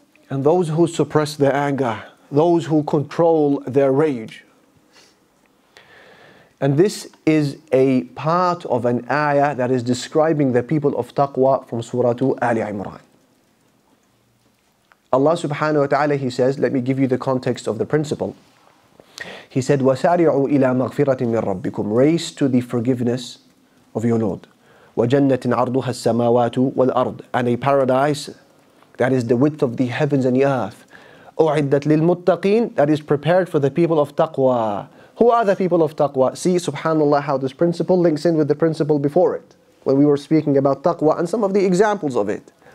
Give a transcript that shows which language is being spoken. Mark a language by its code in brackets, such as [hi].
[en] And those who suppress their anger, those who control their rage. And this is a part of an ayah that is describing the people of taqwa from Surah Ali Imran. Allah subhanahu wa ta'ala, He says, let me give you the context of the principle. He said, [ar] وَسَارِعُوا إِلَىٰ مَغْفِرَةٍ مِّن رَبِّكُمْ. [en] Race to the forgiveness of your Lord. [ar] وَجَنَّةٍ عَرْضُهَا السَّمَاوَاتُ وَالْأَرْضُ. [en] And a paradise that is the width of the heavens and the earth. [ar] أُعِدَّتْ لِلْمُتَّقِينَ. [en] That is prepared for the people of taqwa. Who are the people of taqwa? See, subhanAllah, how this principle links in with the principle before it, when we were speaking about taqwa and some of the examples of it.